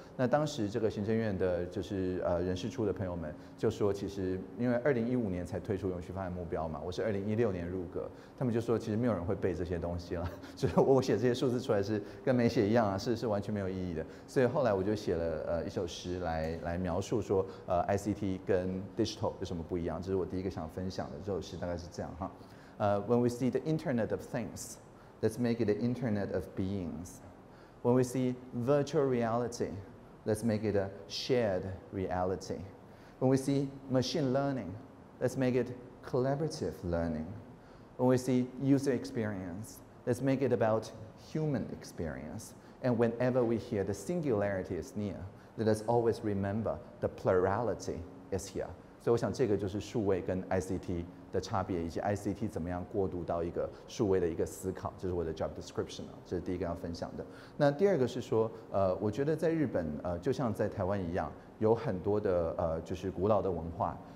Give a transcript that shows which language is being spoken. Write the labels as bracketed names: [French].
[Chinese] 那当时这个行政院的就是人事处的朋友们就说，其实因为2015年才推出永续发展目标嘛，我是2016年入阁，他们就说其实没有人会背这些东西了，就是我写这些数字出来是跟没写一样啊，是完全没有意义的。所以后来我就写了一首诗来描述说ICT 跟 digital 有什么不一样，这是我第一个想分享的这首诗，大概是这样哈。 [English] When we see the Internet of Things. Let's make it an internet of beings. When we see virtual reality, let's make it a shared reality. When we see machine learning, let's make it collaborative learning. When we see user experience, let's make it about human experience. And whenever we hear the singularity is near, let us always remember the plurality is here. [Chinese] 所以我想这个就是数位跟 ICT的差别，以及 ICT 怎么样过渡到一个数位的一个思考，这是我的 [English] job description [Chinese] 啊，这是第一个要分享的。那第二个是说，我觉得在日本，就像在台湾一样，有很多的就是古老的文化。